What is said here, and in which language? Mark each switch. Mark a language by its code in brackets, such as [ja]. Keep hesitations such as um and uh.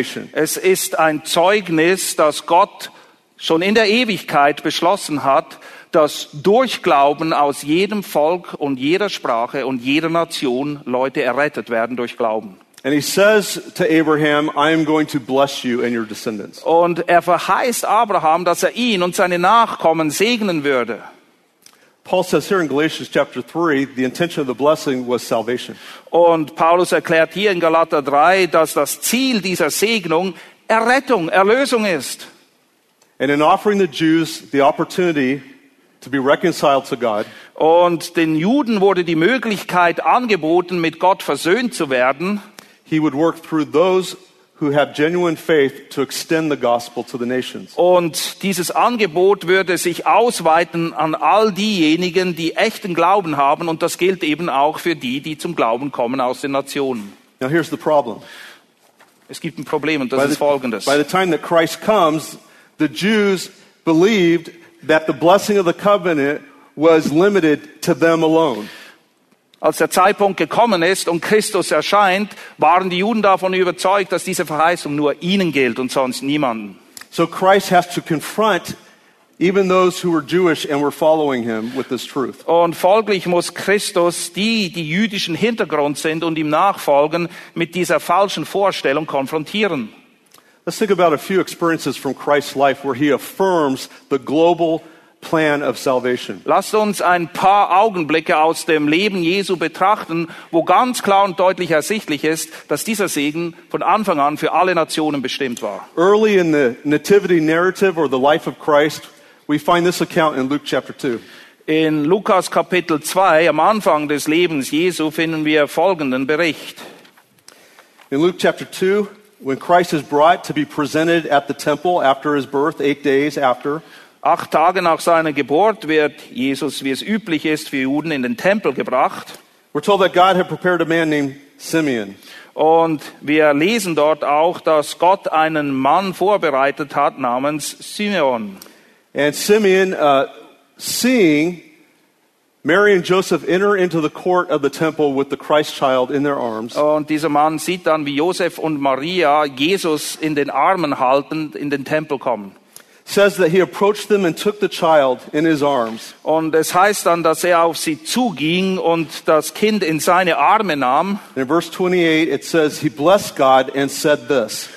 [de] es ist ein Zeugnis, dass Gott schon in der Ewigkeit beschlossen hat, dass durch Glauben aus jedem Volk und jeder Sprache und jeder Nation Leute errettet werden durch Glauben. Und er verheißt Abraham, dass er ihn und seine Nachkommen segnen würde. [en] Paul says here in Galatians chapter 3, the intention of the blessing was salvation. [de] Und Paulus erklärt hier in Galater 3, dass das Ziel dieser Segnung Errettung, Erlösung ist. [en] And in offering the Jews the opportunity to be reconciled to God. [de] Und den Juden wurde die Möglichkeit angeboten, mit Gott versöhnt zu werden. [en] he would work through those who have genuine faith to extend the gospel to the nations. [de] Und dieses Angebot würde sich ausweiten an all diejenigen, die echten Glauben haben und das gilt eben auch für die, die zum Glauben kommen aus den Nationen. [en] Now here's the problem. [de] Es gibt ein Problem und das the, ist folgendes. [en] By the time that Christ comes, the Jews believed that the blessing of the covenant was limited to them alone. [de] als der Zeitpunkt gekommen ist und Christus erscheint, waren die Juden davon überzeugt, dass diese Verheißung nur ihnen gilt und sonst niemanden. [en] So Christ has to confront even those who were Jewish and were following him with this truth. [de] Und folglich muss Christus die, die jüdischen Hintergrund sind und ihm nachfolgen, mit dieser falschen Vorstellung konfrontieren. [en] Let's think about a few experiences from Christ's life where he affirms the global plan of salvation. [de] Lasst uns ein paar Augenblicke aus dem Leben Jesu betrachten, wo ganz klar und deutlich ersichtlich ist, dass dieser Segen von Anfang an für alle Nationen bestimmt war. [en] Early in the nativity narrative or the life of Christ, we find this account in Luke chapter 2. [de] In Lukas Kapitel 2 am Anfang des Lebens Jesu finden wir folgenden Bericht. [en] In Luke chapter 2 when Christ is brought to be presented at the temple after his birth 8 days after [de] Acht Tage nach seiner Geburt wird Jesus, wie es üblich ist, für Juden in den Tempel gebracht. [en] We're told that God had prepared a man named Simeon. [de] Und wir lesen dort auch, dass Gott einen Mann vorbereitet hat namens Simeon. [en] And Simeon, uh, seeing Mary and Joseph enter into the court of the temple with the Christ child in their arms. [de] Und dieser Mann sieht dann, wie Josef und Maria Jesus in den Armen haltend in den Tempel kommen. [en] says that he approached them and took the child in his arms. [de] And es heißt dann, dass er auf sie zuging und das Kind in seine Arme nahm. [en] In verse 28 it says he blessed God and said this.